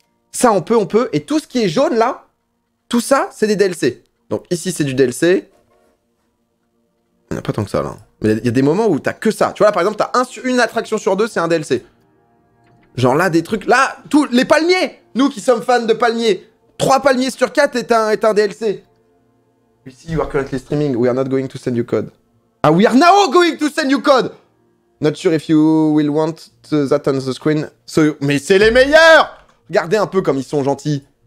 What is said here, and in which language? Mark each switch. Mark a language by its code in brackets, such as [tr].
[fr] Ça, on peut, et tout ce qui est jaune, là, tout ça, c'est des DLC. Donc, ici, c'est du DLC... Il n'y a pas tant que ça, là. Mais il y a des moments où t'as que ça. Tu vois, là, par exemple, t'as une attraction sur deux, c'est un DLC. Genre, là, des trucs... Là, tous les palmiers. Nous qui sommes fans de palmiers. 3 palmiers sur 4 est un DLC. [en] You see, you are currently streaming. We are not going to send you code. Ah, we are now going to send you code. Not sure if you will want to that on the screen. So you... [fr] Mais c'est les meilleurs. Regardez un peu comme ils sont gentils.